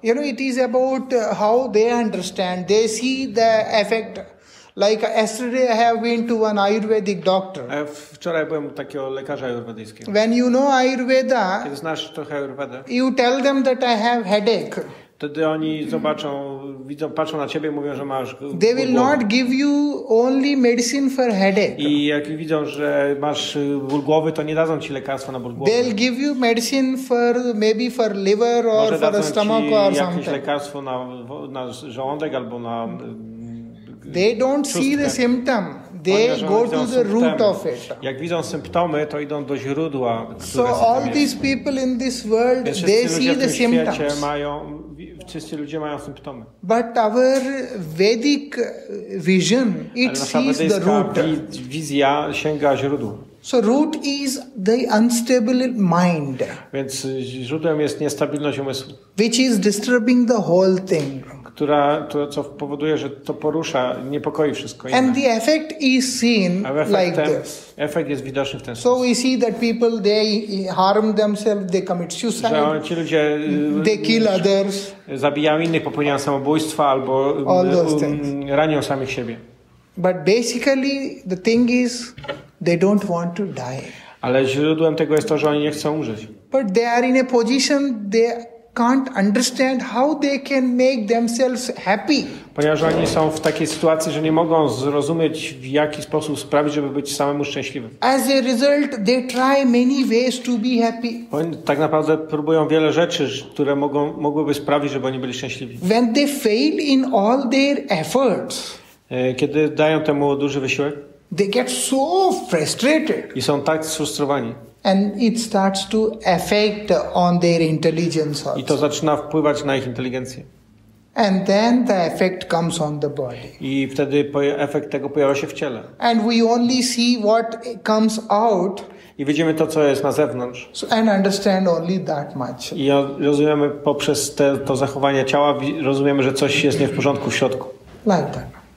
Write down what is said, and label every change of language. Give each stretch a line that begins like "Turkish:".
English: you know, it is about how they understand. They see the effect. Like yesterday, I have been to an Ayurvedic doctor.
Polish: Wczoraj byłem u takiego lekarza ayurwedyjskiego.
English: When you know Ayurveda,
Polish: kiedy znasz trochę Ayurvedę,
English: you tell them that I have headache.
Polish: Wtedy oni zobaczą, widzą, patrzą na ciebie, mówią, że masz.
English: They will not give you only medicine for headache.
Polish: I jak widzą, że masz ból głowy, to nie dadzą ci lekarstwa na ból głowy.
English: They'll give you medicine for maybe for liver or
Polish: może
English: for a stomach or something.
Polish: Może dadzą ci jakieś lekarstwo na żołądek albo na.
English: They don't see the symptom. They go to the root of it.
Polish: Jak widzą symptomy, to idą do źródła.
English: So all these people in this world, they see the symptoms.
Polish: Wszyscy ludzie mają symptomy.
English: But our Vedic vision, it sees the root.
Polish: Wizja sięga źródła.
English: So root is the unstable mind.
Polish: Więc źródłem jest niestabilność umysłu.
English: Which is disturbing the whole thing.
Polish: Która to, co powoduje, że to porusza, niepokoi wszystko.
English: And the effect is seen like this.
Polish: Efekt jest widoczny w ten sposób.
English: So we see that people, they harm themselves, they commit suicide.
Polish: Że ci ludzie,
English: they kill others.
Polish: Zabijają innych, popełniają samobójstwa albo ranią samych siebie.
English: But basically the thing is they don't want to die.
Polish: Ale źródłem tego jest to, że oni nie chcą umrzeć.
English: But they are in a position they can't understand how they can make themselves happy.
Polish: Ponieważ oni są w takiej sytuacji, że nie mogą zrozumieć, w jaki sposób sprawić, żeby być samemu szczęśliwym.
English: As a result, they try many ways to be happy.
Polish: Tak naprawdę próbują wiele rzeczy, które mogłyby sprawić, żeby oni byli szczęśliwi.
English: When they fail in all their efforts,
Polish: kiedy dają temu duży wysiłek,
English: they get so frustrated.
Polish: I są tak sfrustrowani.
English: And it starts to affect on their intelligence also.
Polish: I to zaczyna wpływać na ich inteligencję.
English: And then the effect comes on the body.
Polish: I wtedy efekt tego pojawia się w ciele.
English: And we only see what comes out.
Polish: I widzimy to, co jest na zewnątrz.
English: So, and understand only that much.
Polish: I rozumiemy poprzez to zachowanie ciała, rozumiemy, że coś jest nie w porządku w środku.
English: Like that.